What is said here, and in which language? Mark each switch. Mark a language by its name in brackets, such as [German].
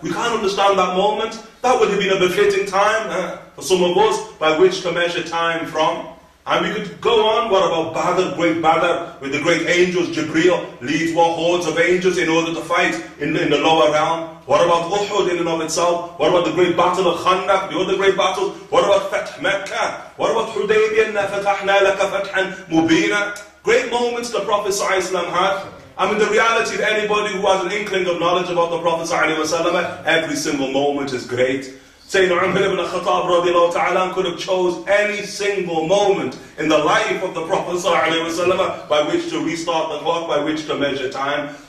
[English] We can't understand that moment. That would have been a befitting time for some of us by which to measure time from. And we could go on, what about Badr, great Badr, with the great angels, Jibreel, leads what hordes of angels in order to fight in the lower realm? What about Uhud in and of itself? What about the great battle of Khandaq, the other great battles? What about Fath Mecca? What about Hudaybiyah, [Arabic] فَتَحْنَا لَكَ فَتْحًا مُبِينًا? [English] Great moments the Prophet ﷺ had. I mean, the reality of anybody who has an inkling of knowledge about the Prophet ﷺ, every single moment is great. Sayyidina Umar ibn al-Khattab radiallahu ta'ala could have chose any single moment in the life of the Prophet sallallahu alayhi wa sallam by which to restart the clock, by which to measure time.